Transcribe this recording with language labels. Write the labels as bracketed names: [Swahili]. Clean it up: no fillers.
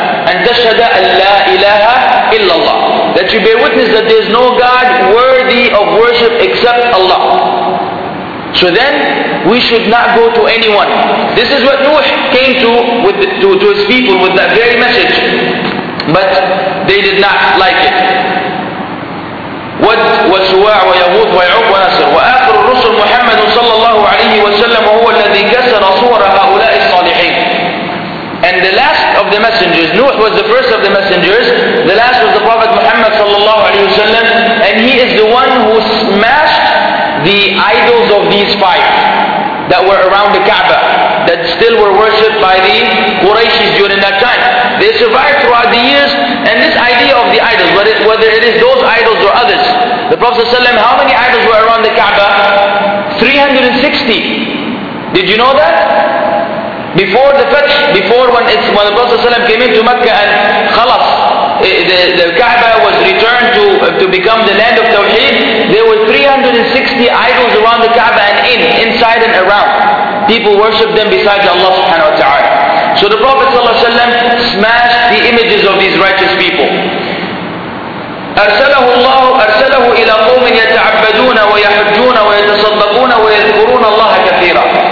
[English] And tashhada an la ilaha illallah. That you bear witness that there is no God worthy of worship except Allah. So then, we should not go to anyone. This is what Nuh came to, with to his people with that very message. But they did not like it. [Arabic] وسواع ويغوث ويعوق ونسر وآخر الرسل محمد صلى الله عليه وسلم وهو الذي كسر صور هؤلاء الصالحين. [English] And the last of the messengers, Nuh was the first of the messengers, the last was the Prophet Muhammad صلى الله عليه وسلم, and he is the one who smashed the idols of these five that were around the Kaaba, that still were worshipped by the Quraysh during that time. They survived throughout the years, and this idea of the idols, whether it is those idols or others, the Prophet ﷺ, how many idols were around the Kaaba? 360. Did you know that? Before the Fajr, before when the Prophet ﷺ came into Mecca and Khalas, the Kaaba was returned to become the land of Tawheed, there were 360 idols around the Kaaba and inside and around. People worshipped them besides Allah subhanahu wa ta'ala. So the Prophet ﷺ smashed the images of these righteous people. [Arabic] أرسله الله أرسله إلى قوم يتعبدون ويحجون ويتصدقون ويذكرون الله كثيرا.